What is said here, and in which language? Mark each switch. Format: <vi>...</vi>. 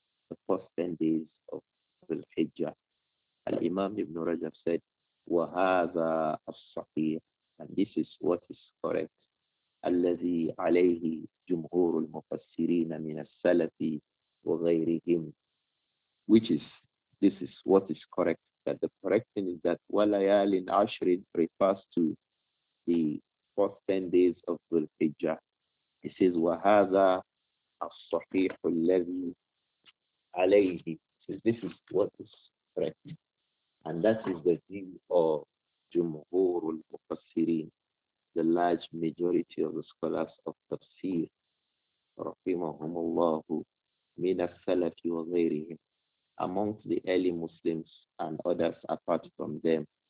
<en>The first 10 days of Al-Hijjah. Al-Imam Ibn Rajab said,</en> <ar>وَهَذَا الصَّحِيحِ,</ar> <en>and this is what is correct,</en> <ar>الَّذِي عَلَيْهِ جُمْهُورُ الْمُفَسِّرِينَ مِنَ السَّلَفِي وغيرهم,</ar> <en>which is, this is what is correct, that the correct thing is that walayalin ashrin refers to the first 10 days of Dhul Hijjah. He says,</en> <ar>وَهَذَا الصَّحِيحُ الَّذِي عَلَيْهِ.</ar> <en>So this is what is correct. And that is the view of</en> <ar>جمهور المفسرين,</ar> <en>the large majority of the scholars of tafsir,</en> <ar>رحمهم الله, من السلف وغيرهم,</ar> <en>amongst the early Muslims and others apart from them.</en>